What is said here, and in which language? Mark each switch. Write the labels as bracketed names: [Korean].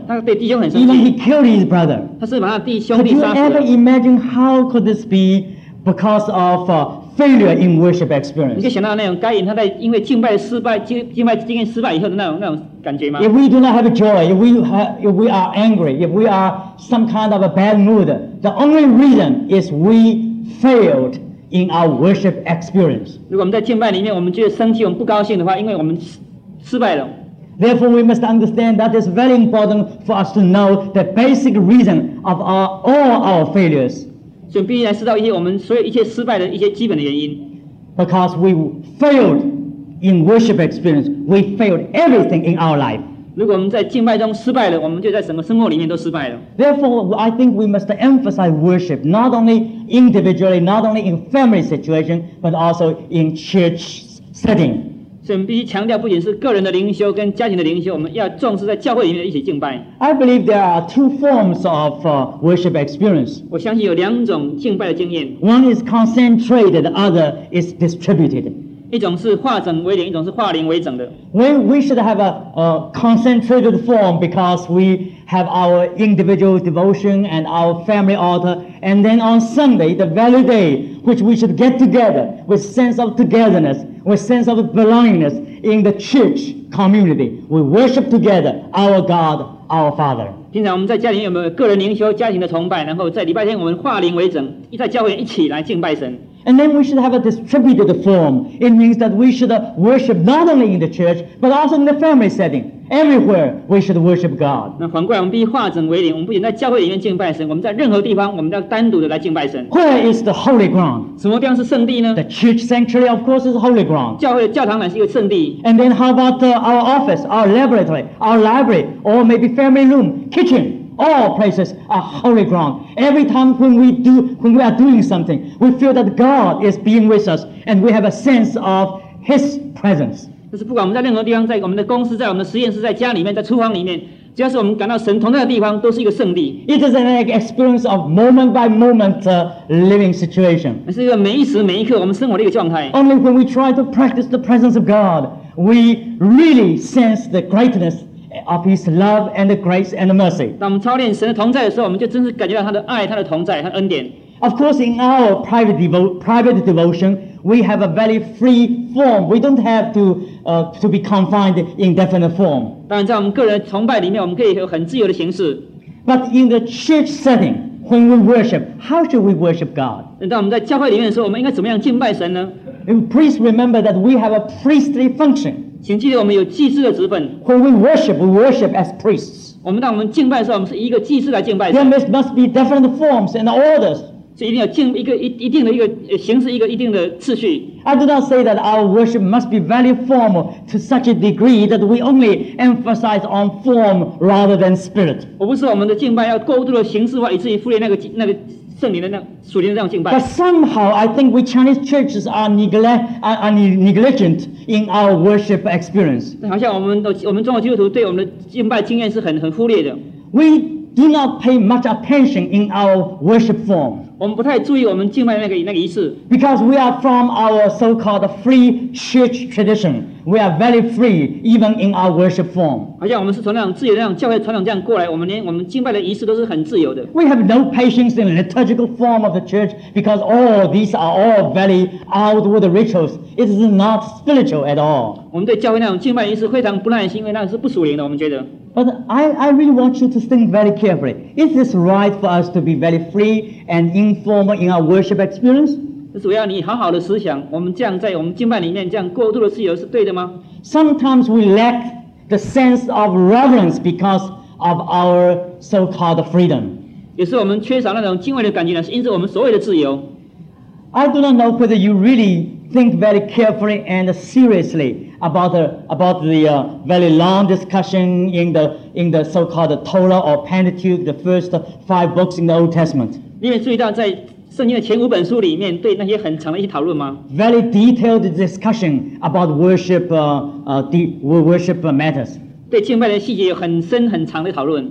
[Chinese] 他对弟兄很生气。 [English] Even he killed his brother. [Chinese] 他是把他弟兄弟杀死了。 [English] Could you ever imagine how could this be because of failure in worship experience? [Chinese] 你可以想到那种该隐他在因为敬拜失败、敬拜经验失败以后的那种感觉吗 [English] ？If we do not have joy, if we are angry, if we are some kind of a bad mood, the only reason is we failed. In our worship experience. [Chinese] 如果我们在敬拜里面，我们觉得生气，我们不高兴的话，因为我们失败了。 [English] Therefore, we must understand that it's very important for us to know the basic reason of all our failures. [Chinese] 所以必须来知道一些我们所有一些失败的一些基本的原因。 [English] Because we failed in worship experience, we failed everything in our life. [Chinese] 如果我们在敬拜中失败了，我们就在整个生活里面都失败了。 [English] Therefore, I think we must emphasize worship not only individually, not only in family situation, but also in church setting. [Chinese] 所以我们必须强调，不仅是个人的灵修跟家庭的灵修，我们要重视在教会里面一起敬拜。 [English] I believe there are two forms of worship experience. [Chinese] 我相信有两种敬拜的经验。 [English] One is concentrated, the other is distributed. [Chinese] 一种是化整为零，一种是化零为整的。 [English] We should have a concentrated form because we have our individual devotion and our family altar, and then on Sunday, the very day which we should get together with sense of togetherness. With sense of belongingness in the church community, we worship together our God, our Father. [Chinese] 平常我们在家里有没有个人灵修、家庭的崇拜？然后在礼拜天我们化灵为整，在教会一起来敬拜神。 [English] And then we should have a distributed form. It means that we should worship not only in the church, but also in the family setting. Everywhere we should worship God. [Chinese] 那反过来，我们必须化整为零。我们不仅在教会里面敬拜神，我们在任何地方，我们要单独的来敬拜神。 [English] Where is the holy ground? [Chinese] 什么地方是圣地呢 [English] ？The church sanctuary, of course, is holy ground. [Chinese] 教会的教堂乃是一个圣地。 [English] And then how about our office, our laboratory, our library, or maybe family room, kitchen? All places are holy ground. Every time when we are doing something, we feel that God is being with us, and we have a sense of His presence. [Chinese] 就是不管我们在任何地方，在我们的公司，在我们的实验室，在家里面，在厨房里面，只要是我们感到神同在的地方，都是一个圣地。 [English] It is an experience of moment by moment living situation. [Chinese] 是一个每一时每一刻我们生活的一个状态。 [English] Only when we try to practice the presence of God, we really sense the greatness. Of His love and the grace and the mercy. [Chinese] 当我们操练神的同在的时候，我们就真是感觉到他的爱、他的同在、他的恩典。 [English] Of course, in our private devotion, we have a very free form. We don't have to be confined in definite form. [Chinese] 当然，在我们个人崇拜里面，我们可以有很自由的形式。 [English] But in the church setting, when we worship, how should we worship God? [Chinese] 当我们在教会里面的时候，我们应该怎么样敬拜神呢 [English] ？And please remember that we have a priestly function. [Chinese] 请记得我们有祭司的职分。 [English] When we worship as priests. [Chinese] 我们当我们敬拜的时候，我们是一个祭司来敬拜。 [English] There must be different forms and orders. [Chinese] 所以一定要敬一个一定的一个形式，一个一定的次序。 [English] I do not say that our worship must be very formal to such a degree that we only emphasize on form rather than spirit. [Chinese] 我不是说我们的敬拜要过度的形式化，以至于忽略那个。圣灵的那属灵的这样敬拜。 [English] But somehow I think we Chinese churches are negligent in our worship experience. [Chinese] 好像我们中国基督徒对我们的敬拜经验是很忽略的。 [English] We do not pay much attention in our worship form. [Chinese] 我们不太注意我们敬拜那个仪式。 [English] Because we are from our so-called free church tradition, we are very free even in our worship form. [Chinese] 好像我们是从那种自由的那种教会传统这样过来，我们连我们敬拜的仪式都是很自由的。 [English] We have no patience in the liturgical form of the church because all these are all very outward rituals. It is not spiritual at all. [Chinese] 我们对教会那种敬拜仪式非常不耐心，因为那是不属灵的，我们觉得。 [English] But I really want you to think very carefully. Is this right for us to be very free and informal in our worship experience? [Chinese] 就是我要你好好的思想，我们这样在我们敬拜里面这样过度的自由是对的吗？ [English] Sometimes we lack the sense of reverence because of our so-called freedom. [Chinese] 也是我们缺少那种敬畏的感觉呢，是因此我们所谓的自由。 [English] I do not know whether you really think very carefully and seriously. About the very long discussion in the so-called Torah or Pentateuch, the first five books in the Old Testament. [Chinese] 你有注意到在圣经的前五本书里面对那些很长的一些讨论吗 [English] ？Very detailed discussion about worship, worship matters. [Chinese] 对敬拜的细节有很深很长的讨论。